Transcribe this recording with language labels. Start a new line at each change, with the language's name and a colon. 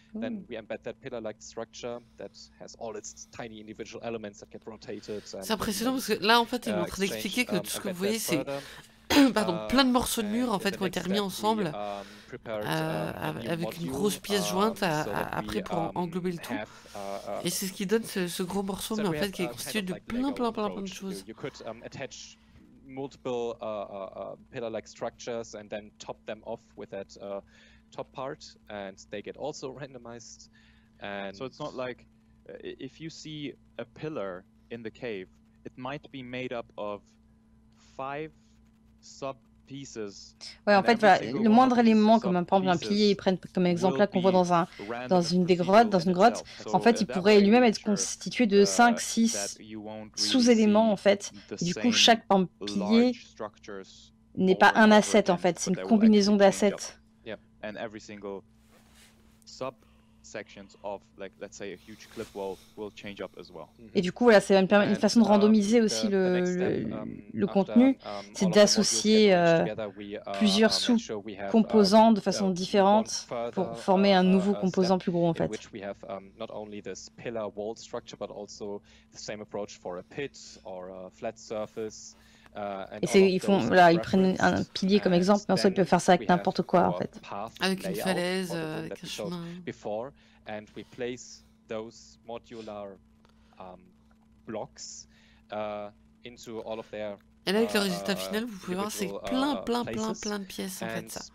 English: Then we embed that pillar-like structure that has all its tiny individual elements that get rotated.
French: C'est impressionnant parce que là, en fait, ils sont en train d'expliquer que tout ce que vous voyez, c'est plein de morceaux de mur en fait qui ont été remis ensemble avec une grosse pièce jointe après pour englober le tout. Et c'est ce qui donne ce gros morceau, mais en fait qui est constitué de plein de choses.
English: You could attach multiple pillar-like structures and then top them off with that top part, and they get also randomized. And so it's not like if you see a pillar in the cave, it might be made up of 5 sub pieces.
French: Ouais, en fait, voilà, le moindre élément, comme par exemple un pilier, ils prennent comme exemple là qu'on voit dans un dans une grotte, en fait, il pourrait lui-même être constitué de 5-6 sous-éléments, en fait. Du coup, chaque pilier n'est pas un asset, en fait, c'est une combinaison d'assets.
English: And every single subsections of, like, let's say, a huge cliff wall will change up as well.
French: Et du coup, voilà, c'est une façon de randomiser aussi le contenu, c'est d'associer plusieurs sous-composants de façon différente pour former un nouveau composant plus gros, en fait.
English: Which we have not only this pillar wall structure, but also the same approach for a pit or a flat surface.
French: Et c'est, ils prennent un pilier comme exemple, mais en soi, ils peuvent faire ça avec n'importe quoi, en fait. Avec une falaise, avec un chemin.
English: Before, and we place those modular blocks into all of their.
French: Et là, avec le résultat final, vous pouvez voir, c'est plein de pièces, en fait, ça.